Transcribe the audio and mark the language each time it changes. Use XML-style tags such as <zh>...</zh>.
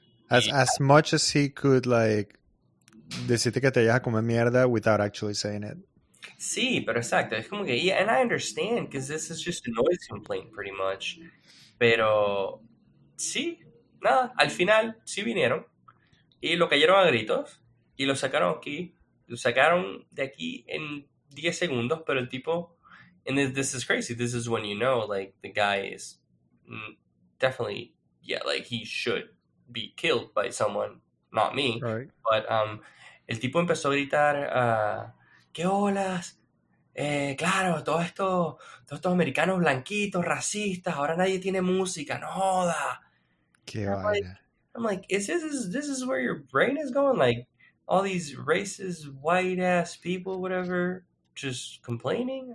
<en>As much as he could, like,</en> <es>decirte que te vayas a comer mierda</es> <en>without actually saying it.</en> <es>Sí, pero exacto. Es como que,</es> <en>yeah, and I understand because this is just a noise complaint, pretty much.</en> <es>Pero sí, nada. Al final, sí vinieron y lo cayeron a gritos. Y lo sacaron de aquí en 10 segundos, pero el tipo,</es> <en>and this is crazy, this is when you know, like, the guy is definitely, yeah, like, he should be killed by someone, not me. Right.</en> <es>But el tipo empezó a gritar, ¿qué olas? Claro, todos estos americanos blanquitos, racistas, ahora nadie tiene música, no joda. Qué vaya.</es> <en>I'm like, is this where your brain is going? Like, all these racist, white-ass people, whatever, just complaining?</en>